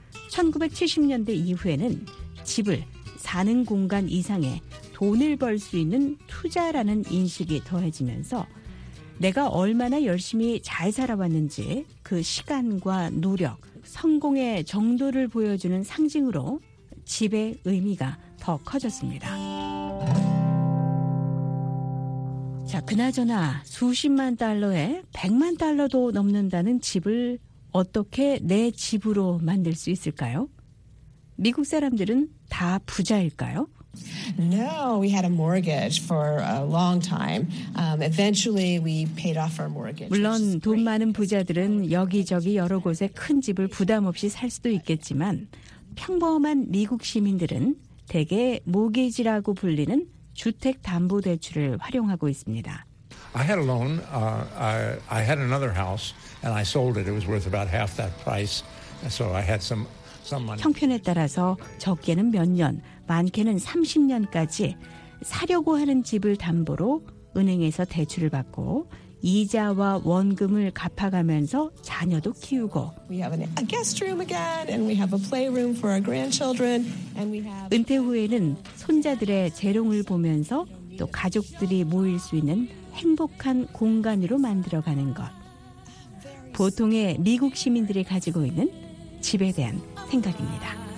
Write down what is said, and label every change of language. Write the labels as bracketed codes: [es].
[ko] 1970년대 이후에는 집을 사는 공간 이상의 돈을 벌 수 있는 투자라는 인식이 더해지면서 내가 얼마나 열심히 잘 살아왔는지 그 시간과 노력, 성공의 정도를 보여주는 상징으로 집의 의미가 더 커졌습니다. 자, 그나저나 수십만 달러에 백만 달러도 넘는다는 집을 어떻게 내 집으로 만들 수 있을까요? 미국 사람들은 다 부자일까요? [en] No, we had a mortgage for a long time. Eventually, we paid off our mortgage. [ko] 물론 돈 많은 부자들은 여기저기 여러 곳에 큰 집을 부담 없이 살 수도 있겠지만 평범한 미국 시민들은 대개 모기지라고 불리는 주택담보대출을 활용하고 있습니다. [en] I had a loan. I had another house, and I sold it. It was worth about half that price, so I had some money. [ko] 형편에 따라서 적게는 몇 년, 많게는 30년까지 사려고 하는 집을 담보로 은행에서 대출을 받고 이자와 원금을 갚아가면서 자녀도 키우고. [en] We have a guest room again, and we have a playroom for our grandchildren, and we have. [ko] 은퇴 후에는 손자들의 재롱을 보면서 또 가족들이 모일 수 있는 행복한 공간으로 만들어가는 것. 보통의 미국 시민들이 가지고 있는 집에 대한 생각입니다.